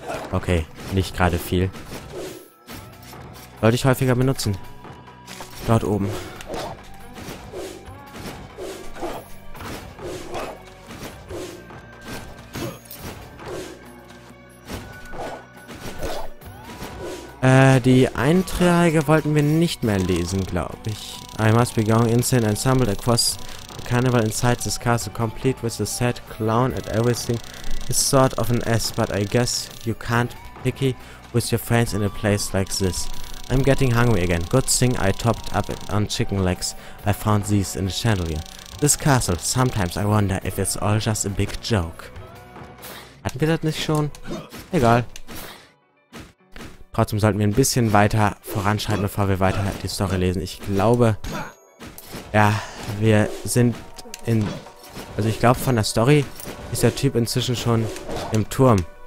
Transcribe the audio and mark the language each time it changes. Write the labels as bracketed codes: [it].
[de] Okay, nicht gerade viel. Sollte ich häufiger benutzen. Dort oben. Die Einträge wollten wir nicht mehr lesen, glaube ich. [en] I must be going insane and stumbled across the carnival inside this castle, complete with a sad clown and everything. It's sort of an S, but I guess you can't be picky with your friends in a place like this. I'm getting hungry again. Good thing I topped up on chicken legs. I found these in the chandelier. This castle, sometimes I wonder if it's all just a big joke. [de] Hatten wir das nicht schon? Egal. Trotzdem sollten wir ein bisschen weiter voranschreiten, bevor wir weiter die Story lesen. Ich glaube, ja, wir sind in... Also ich glaube, von der Story ist der Typ inzwischen schon im Turm.